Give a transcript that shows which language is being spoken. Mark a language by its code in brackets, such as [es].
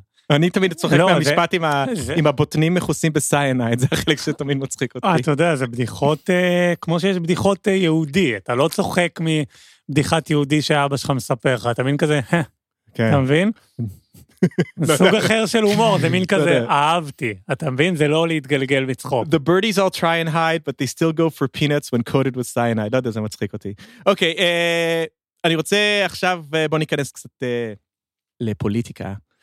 [he] אני תמיד צוחק מהמשפט עם הבוטנים מכוסים בסיינייד, זה החלק שתמיד מצחיק אותי. אתה יודע, זה בדיחות, כמו שיש בדיחות יהודי, אתה לא צוחק מבדיחת יהודי שאבא שלך מספר לך, אתה מבין כזה, אתה מבין? סוג אחר של הומור, זה מין כזה, אהבתי, אתה מבין? זה לא להתגלגל בצחוק. [en] The birdies all try and hide, but they still go for peanuts when coated with cyanide. [he] לא יודע, זה מצחיק אותי. אוקיי, אני רוצה עכשיו, בוא ניכנס קצת לפוליטיקה.